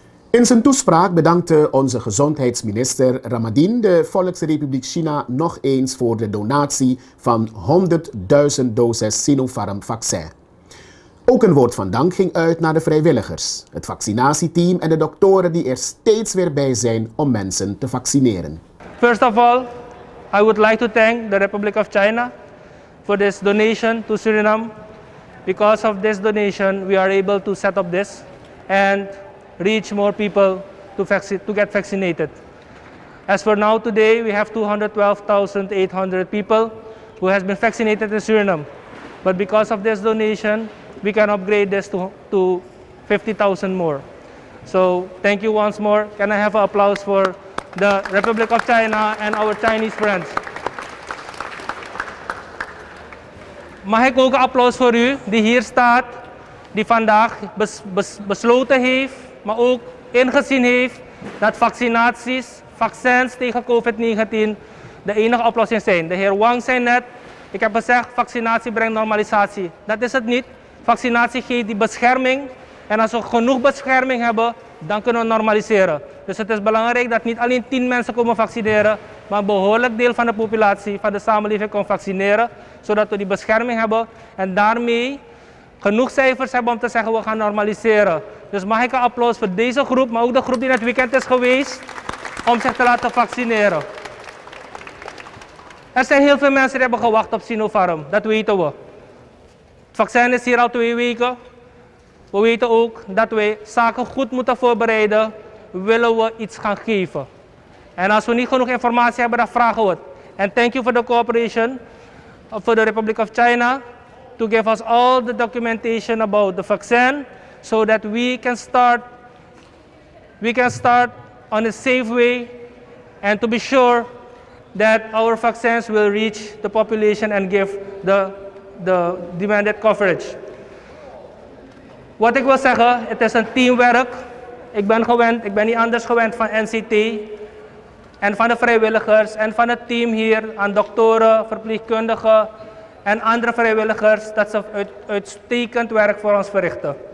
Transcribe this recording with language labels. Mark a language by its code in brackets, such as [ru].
[nl] In zijn toespraak bedankte onze gezondheidsminister Ramadine de Volksrepubliek China nog eens voor de donatie van 100.000 doses Sinopharm-vaccin. Ook een woord van dank ging uit naar de vrijwilligers, het vaccinatieteam en de doktoren die er steeds weer bij zijn om mensen te vaccineren. [en] First of all, I would like to thank the Republic of China for this donation to Suriname. Because of this donation, we are able to set up this and reach more people to get vaccinated. As for now, today we have 212,800 people who has been vaccinated in Suriname. But because of this donation, we can upgrade this to 50,000 more. So thank you once more. Can I have an applause for the Republic of China and our Chinese friends? [nl] Mag ik ook een applaus voor u die hier staat, die vandaag besloten heeft, maar ook ingezien heeft dat vaccins tegen COVID-19 de enige oplossing zijn. De heer Wang zei net, ik heb gezegd, vaccinatie brengt normalisatie. Dat is het niet. Vaccinatie geeft die bescherming. En als we genoeg bescherming hebben, dan kunnen we normaliseren. Dus het is belangrijk dat niet alleen 10 mensen komen vaccineren, maar een behoorlijk deel van de populatie, van de samenleving, kan vaccineren, zodat we die bescherming hebben en daarmee genoeg cijfers hebben om te zeggen, we gaan normaliseren. Dus mag ik een applaus voor deze groep, maar ook de groep die net weekend is geweest, om zich te laten vaccineren. Er zijn heel veel mensen die hebben gewacht op Sinopharm, dat weten we. Het vaccin is hier al 2 weken. We weten ook dat wij zaken goed moeten voorbereiden, willen we iets gaan geven. En als we niet genoeg informatie hebben, dan vragen we het. [en] En thank you for the cooperation for the Republic of China to give us all the documentation about the vaccine, so that we can start on a safe way and to be sure that our vaccines will reach the population and give the demanded coverage. [nl] Wat ik wil zeggen, het is een teamwerk. Ik ben gewend, ik ben niet anders gewend van NCT en van de vrijwilligers en van het team hier aan doktoren, verpleegkundigen en andere vrijwilligers dat ze uitstekend werk voor ons verrichten.